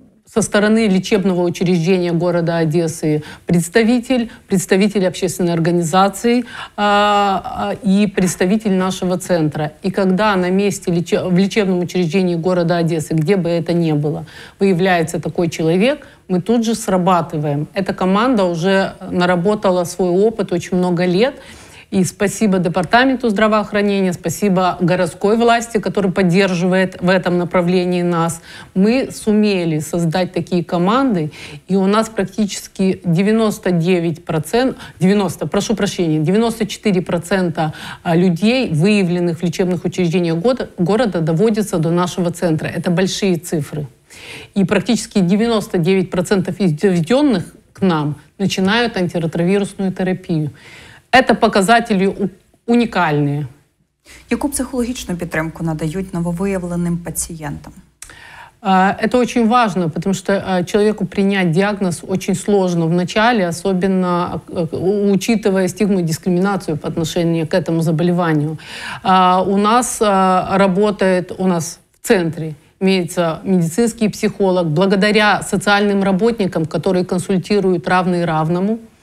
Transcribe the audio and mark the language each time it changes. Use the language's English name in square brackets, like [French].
[Russian] со стороны лечебного учреждения города Одессы представитель общественной организации и представитель нашего центра. И когда на месте в лечебном учреждении города Одессы, где бы это ни было, выявляется такой человек, мы тут же срабатываем. Эта команда уже наработала свой опыт очень много лет. И спасибо департаменту здравоохранения, спасибо городской власти, которая поддерживает в этом направлении нас. Мы сумели создать такие команды, и у нас практически 94% людей, выявленных в лечебных учреждениях города, доводятся до нашего центра. Это большие цифры. И практически 99% из доведенных к нам начинают антиретровирусную терапию. [Ukrainian] Це показателі унікальні. Яку психологічну підтримку надають нововиявленим пацієнтам? [Russian] Это очень важно, потому что человеку принять диагноз очень сложно в начале, особенно учитывая стигму и дискриминацию по отношению к этому заболеванию. У нас в центре имеется медицинский психолог, благодаря социальным работникам, которые консультируют равный равному.